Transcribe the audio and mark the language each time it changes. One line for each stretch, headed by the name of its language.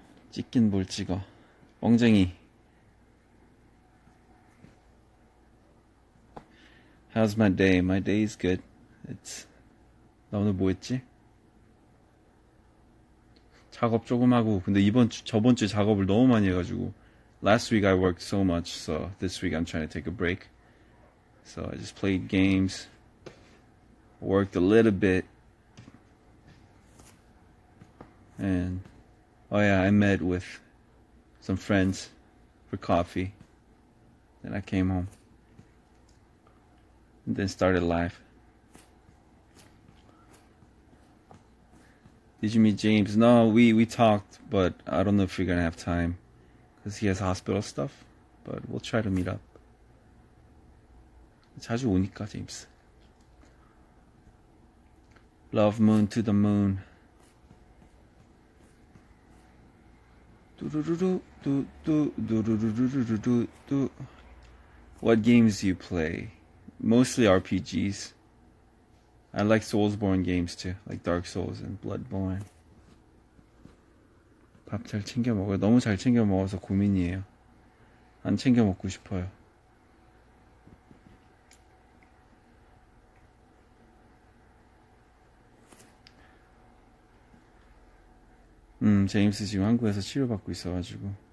Korean: 찍긴 뭘 찍어. 멍쟁이.
English: How's my day? My day is good. It's.
Korean: 나 오늘 뭐 했지? 작업 조금 하고, 근데 저번 주 작업을 너무 많이 해가지고.
English: Last week I worked so much, so this week I'm trying to take a break. So I just played games, worked a little bit, and oh yeah, I met with some friends for coffee. Then I came home. And then started life. Did you meet James? No, we talked, but I don't know if we're gonna have time. Because he has hospital stuff, but we'll try to meet up.
Korean: 자주 오니까, 제임스.
English: Love moon to the moon. 두루루루, 두루루루루루루루루. What games do you play? Mostly RPGs. I like Soulsborne games too, like Dark Souls and Bloodborne.
Korean: 밥잘 챙겨 먹어요. 너무 잘 챙겨 먹어서 고민이에요. 안 챙겨 먹고 싶어요. 제임스 지금 한국에서 치료받고 있어가지고.